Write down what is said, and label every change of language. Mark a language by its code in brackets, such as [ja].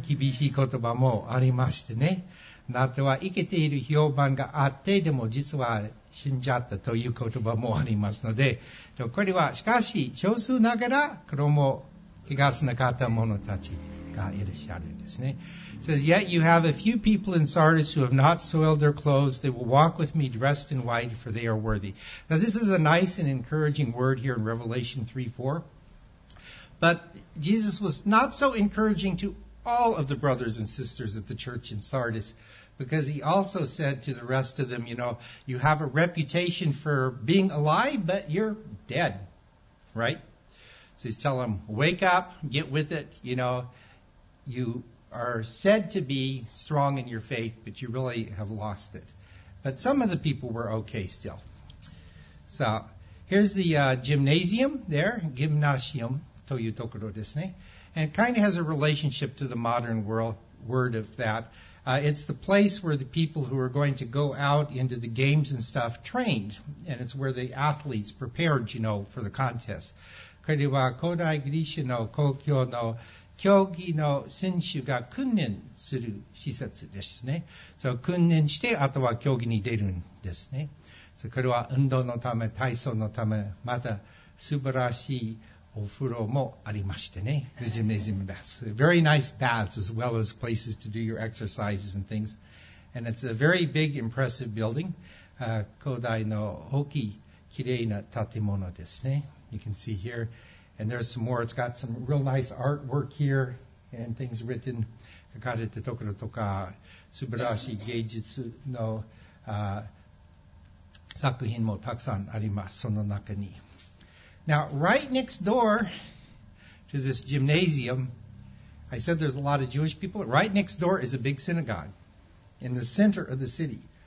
[ja] 厳しい言葉もありましてね。あとは、生きている評判があって、でも実は死んじゃったという言葉もありますので、これは、しかし、少数ながら、衣を汚さなかった者たちがいらっしゃるんですね。 [en] It says, Yet you have a few people in Sardis who have not soiled their clothes. They will walk with me dressed in white, for they are worthy. Now, this is a nice and encouraging word here in Revelation 3:4. But Jesus was not so encouraging to all of the brothers and sisters at the church in Sardis because he also said to the rest of them, you know, you have a reputation for being alive, but you're dead, right? So he's telling them, wake up, get with it. You know, you are said to be strong in your faith, but you really have lost it. But some of the people were okay still. So here's the gymnasium there, gymnasium. [ja] というところですね。 [en] And it kind of has a relationship to the modern word of that. It's the place where the people who are going to go out into the games and stuff trained, and it's where the athletes prepared, you know, for the contest. [ja] これは古代ギリシャの公共の競技の選手が訓練する施設ですね。そう、訓練して、あとは競技に出るんですね。そう、これは運動のため、体操のため、また素晴らしいお風呂もありましてね。 [en] The gymnasium baths. Very nice baths as well as places to do your exercises and things. And it's a very big, impressive building. [ja] 古代の大きい、きれいな建物ですね。 [en] You can see here. And there's some more. It's got some real nice artwork here and things written. [ja] 書かれてところとか、素晴らしい芸術の作品もたくさんあります、その中に。 [en] Now, right next door to this gymnasium, I said there's a lot of Jewish people. Right next door is a big synagogue in the center of the city.